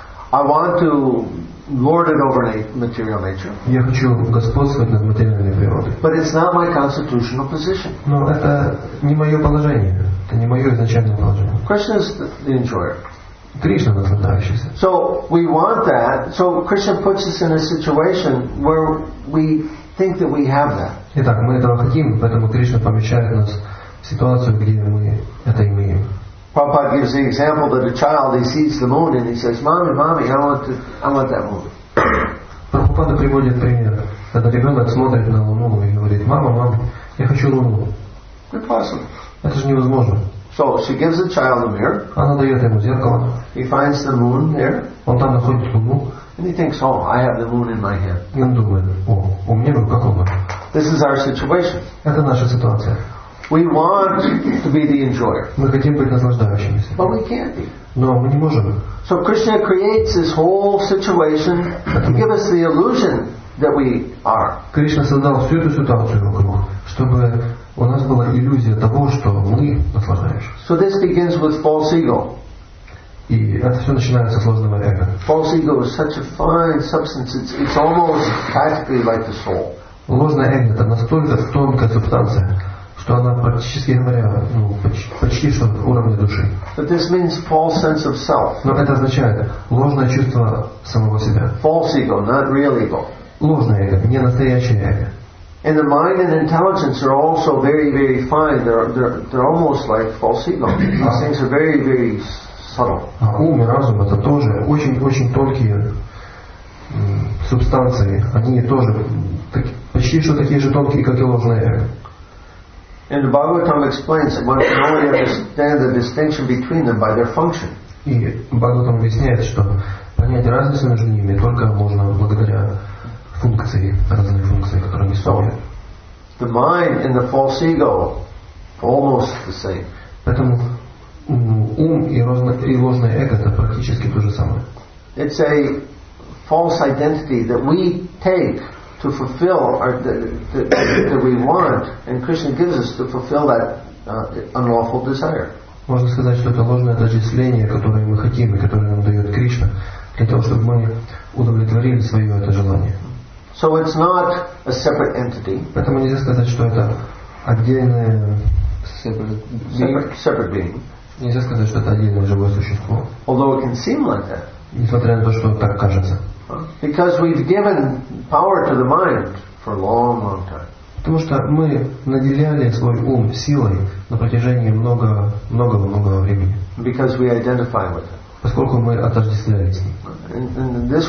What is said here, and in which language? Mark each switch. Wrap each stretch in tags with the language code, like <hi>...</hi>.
<en>I want to lord it over material nature.</en> <ru>Я хочу господствовать над материальной природой.</ru> <en>But it's not my constitutional position.</en> <ru>Но это не мое положение. Это не мое изначальное положение.</ru> <en>Krishna is the enjoyer.</en> <ru>Кришна наслаждающийся.</ru> <en>So we want that. So Krishna puts us in a situation where we think that we have that.</en> <ru>Итак, мы этого хотим, поэтому Кришна помещает нас ситуацию, где мы это имеем.</ru> <en>Prabhupada gives the example that a child he sees the moon and he says, "Mommy, mommy, I want that moon."</en> <ru>Прабхупада приводит пример, когда ребенок смотрит на луну и говорит, "Мама, мама, я хочу луну."</ru> <en>Impossible.</en> <ru>Это же невозможно.</ru> <en>So she gives the child a mirror.</en> <ru>Она дает ему зеркало.</ru> <en>He finds the moon there.</en> <ru>Он там находит луну.</ru> <en>And he thinks, "Oh, I have the moon in my hand."</en> <ru>И он думает, "О, у меня в руках луна."</ru> <en>This is our situation.</en> <ru>Это наша ситуация.</ru> <en>We want to be the enjoyer.</en> <ru>Мы хотим быть наслаждающимися.</ru> <en>But we can't be.</en> <ru>Но мы не можем.</ru> <en>So Krishna creates this whole situation to give us the illusion that we are.</en> <ru>Кришна создал всю эту ситуацию вокруг, чтобы у нас была иллюзия того, что мы наслаждаемся.</ru> <en>So this begins with false ego.</en> <ru>И это все начинается с ложного эго.</ru> <en>False ego is such a fine substance. It's almost practically like the soul.</en> <ru>Ложное эго — это настолько тонкая субстанция, что она практически говоря, почти что уровень души.</ru> <en>But this means false sense of self.</en> <ru>Но это означает ложное чувство самого себя.</ru> <en>False ego, not real ego.</en> <ru>Ложное эго, не настоящее эго.</ru> <en>And the mind and intelligence are also very, very fine. They're almost like false ego. These things are very, very subtle.</en> <ru>А ум и разум — это тоже очень-очень тонкие субстанции. Они тоже почти что такие же тонкие, как и ложное эго.</ru> <en>And the Bhagavatam explains that one can only understand the distinction between them by their function.</en> <ru>И Бхагаватам объясняет, что понять разницу между ними только можно благодаря функции, разные функции, которые они исполняют.</ru> <en>The mind and the false ego almost the same.</en> <ru>Поэтому ум и ложное эго это практически то же самое.</ru> <en>It's a false identity that we take to fulfill our that we want, and Krishna gives us to fulfill that unlawful desire.</en> <ru>Можно сказать, что это ложное отождествление, которое мы хотим и которое нам дает Кришна, для того, чтобы мы удовлетворили свое это желание.</ru> <en>So it's not a separate entity.</en> <ru>Поэтому нельзя сказать, что это отдельное</ru> <en>separate being.</en> <ru>Нельзя сказать, что это отдельное живое существо.</ru> <en>Although it can seem like that.</en> <ru>Несмотря на то, что так кажется.</ru> <en>Because we've given power to the mind for a long, long time.</en> <ru>Потому что мы наделяли свой ум силой на протяжении многого времени.</ru> <en>Because we identify with it.</en> <ru>Поскольку мы отождествляли с ним.</ru>